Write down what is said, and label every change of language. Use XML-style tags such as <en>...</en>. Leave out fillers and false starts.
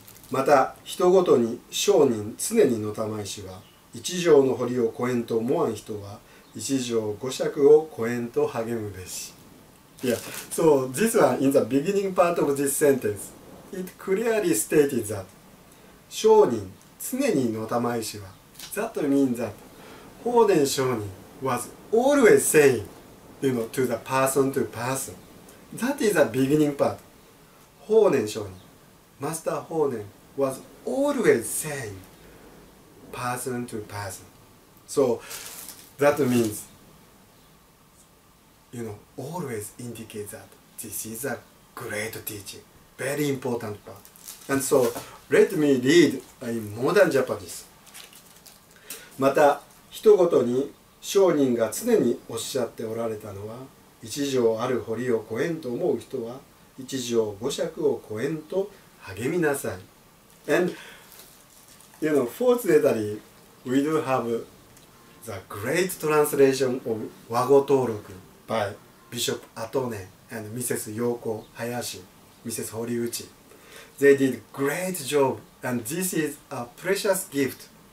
<ja>また人ごとに商人常にのたまいしは一条の堀を越えんと思わん人は一条五尺を越えんと励むべし。</ja> <en>Yeah, so this one in the beginning part of this sentence, it clearly stated that</en> <ja>商人常にのたまいしは</ja> <en>that means that 法然商人 was always saying, you know, to the person to person. That is the beginning part. 法然上人 Master 法然 was always saying, person to person. So, that means, you know, always indicate that this is a great teaching, very important part. And so, let me read in modern Japanese.</en> <ja>また、人ごとに商人が常におっしゃっておられたのは、一条ある堀を越えんと思う人は、一条五尺を越えんと励みなさい。</ja> <en>And, you know, fortunately, we do have the great translation of 和語登録 by Bishop Atone and Mrs. Yoko Hayashi, Mrs. Horiuchi. They did great job, and this is a precious gift.</en>